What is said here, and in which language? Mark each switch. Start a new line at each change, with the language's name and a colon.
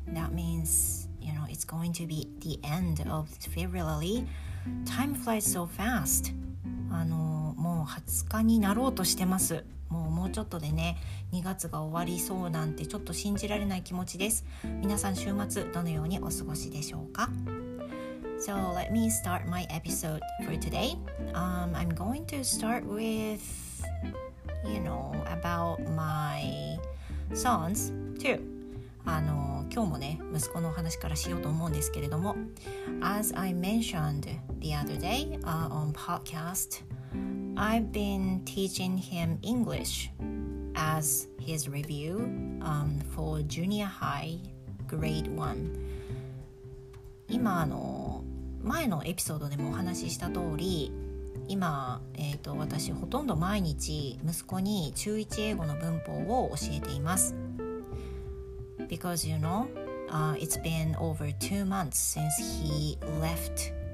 English: That means, you know, it's going to be the end of February. Time flies so fast.
Japanese: もう20日になろうとしてます。もうちょっとでね、2月が終わりそうなんてちょっと信じられない気持ちです。皆さん週末どのようにお過ごしでしょうか?
English: So let me start my episode for today. I'm going to start with, you know, about my sons too.
Japanese: 今日もね、息子のお話からしようと思うんですけれども。
English: As I mentioned the other day, on podcast,I've been teaching him English as his review for junior high grade 1.
Japanese: 今前のエピソードでもお話しした通り、今私ほとんど毎日息子に中1英語の文法を教えています。
English: Because you know, it's been over 2 months since he left.